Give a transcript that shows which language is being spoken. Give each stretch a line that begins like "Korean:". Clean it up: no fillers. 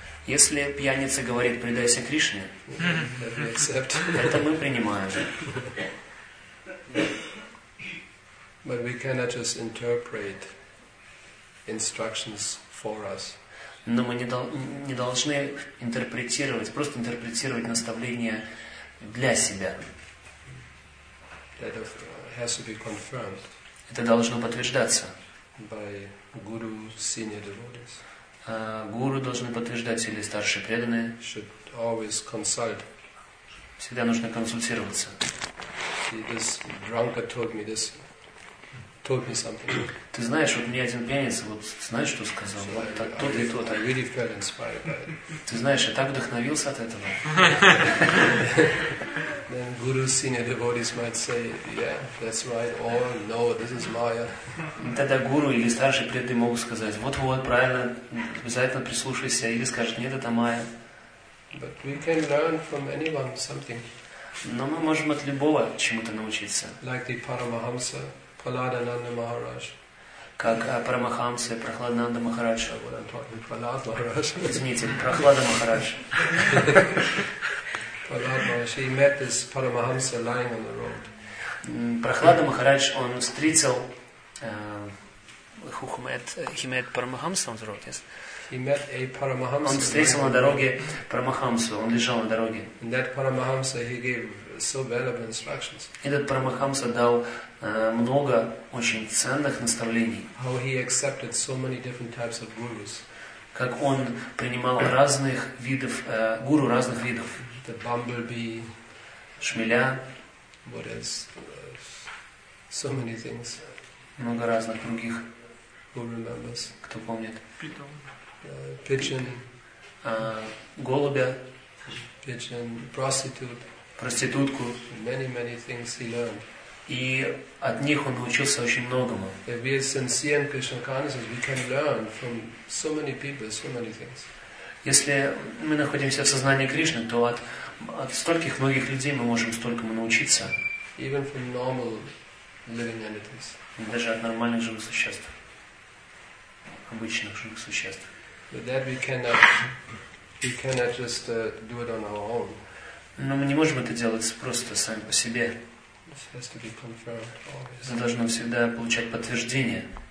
Russian: если пьяница говорит предайся Кришне, это мы принимаем.
English: But we cannot just interpret instructions for us.
Russian: Но мы не должны интерпретировать, просто интерпретировать наставления для себя.
English: That has to be confirmed.
Russian: Это должно подтверждаться.
English: By guru, senior devotees.
Russian: Гуру должны подтверждать или старшие преданные.
English: Should always consult.
Russian: Всегда нужно консультироваться.
English: See, this drunkard told me something.
Russian: Ты знаешь, вот мне один пьяница, вот знаешь, что сказал? So вот, тот.
English: I really felt inspired by it.
Russian: Ты знаешь, я так вдохновился от этого.
English: Then guru, senior devotees might say, yeah, that's right, or no, this is Maya.
Russian: Тогда гуру или старший преданный могут сказать, вот-вот, правильно, обязательно прислушайся, или скажут, нет, это Maya.
English: But we can learn from anyone something.
Russian: Но мы можем от любого чему-то научиться.
English: Like the Paramahamsa, Prahladananda Maharaj.
Russian: Как Парамахамса и Прахладананда Махарадж.
English: What I'm talking, Prahlad Maharaj.
Russian: Извините, Прахлада Махарадж.
English: He met this Paramahamsa lying on the road.
Russian: Прахлада Махарадж, он встретил,
English: he met Paramahamsa on the road, yes. He met a Paramahamsa.
Russian: Он встретил на дороге Парамахамсу, он лежал на дороге.
English: And that Paramahamsa, he gave so valuable instructions.
Russian: Этот Парамахамса дал много очень ценных наставлений.
English: How he accepted so many different types of gurus.
Russian: Как он принимал разных видов гуру разных видов.
English: The bumblebee,
Russian: шмеля,
English: what else? So many things.
Russian: Много разных других.
English: Who remembers?
Russian: Кто помнит? Питон.
English: Pigeon.
Russian: Голубя.
English: Pigeon. Prostitute.
Russian: Проститутку.
English: Many, many things he learned.
Russian: И от них он научился очень многому.
English: If we are sincere in Krishna consciousness, we can learn from so many people, so many things.
Russian: Если мы находимся в сознании Кришны, то от стольких многих людей мы можем столькому научиться.
English: Even from normal living entities.
Russian: Даже от нормальных живых существ. Обычных живых существ.
English: But that we cannot just do it on our own.
Russian: Но мы не можем это делать просто сами по себе.
English: This has to be confirmed always.
Russian: Мы должны всегда получать подтверждение.